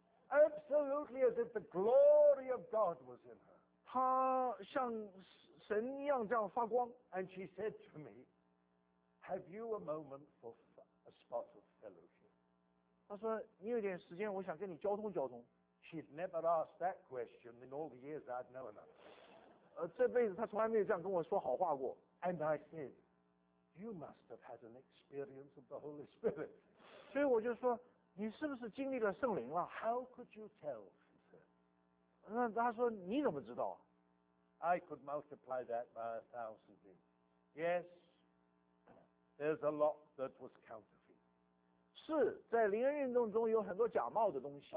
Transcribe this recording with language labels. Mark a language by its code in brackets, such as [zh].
[en] Absolutely as if the glory of God was in her. [zh] 她像神一样这样发光。 [en] And she said to me, "Have you a moment for a spot of fellowship?" [zh] 她说你有点时间，我想跟你交通交通。 [en] She'd never asked that question in all the years I'd known her. [zh] 这辈子她从来没有这样跟我说好话过。 [en] And I said, "You must have had an experience of the Holy Spirit." [zh] 所以我就说，你是不是经历了圣灵了 [en] ？How could you tell? [zh] 那他说你怎么知道 [en] ？I could multiply that by a thousand. Yes, there's a lot that was counterfeit. [zh] 是在灵恩运动中有很多假冒的东西。